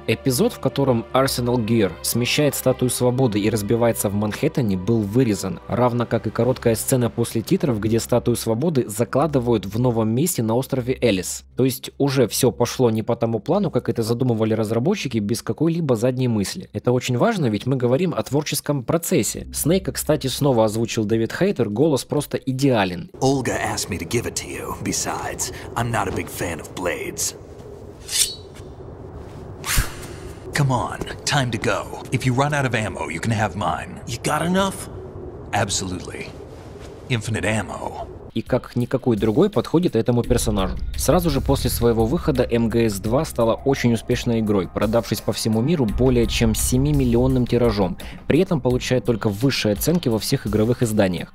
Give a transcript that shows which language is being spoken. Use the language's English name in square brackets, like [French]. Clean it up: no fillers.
[Russian] Эпизод, в котором Arsenal Gear смещает статую свободы и разбивается в Манхэттене, был вырезан, равно как и короткая сцена после титров, где статую свободы закладывают в новом месте на острове Эллис. То есть уже все пошло не по тому плану, как это задумывали разработчики, без какой-либо задней мысли. Это очень важно, ведь мы говорим о творческом процессе. Снейка, кстати, снова озвучил Дэвид Хейтер, голос просто идеален. [English] Olga asked me to give it to you. Besides, I'm not a big fan of blades. Come on, time to go. If you run out of ammo, you can have mine. You got enough? Absolutely. Infinite ammo. [Russian] И как никакой другой подходит этому персонажу. Сразу же после своего выхода MGS 2 стала очень успешной игрой, продавшись по всему миру более чем 7-миллионным тиражом, при этом получая только высшие оценки во всех игровых изданиях.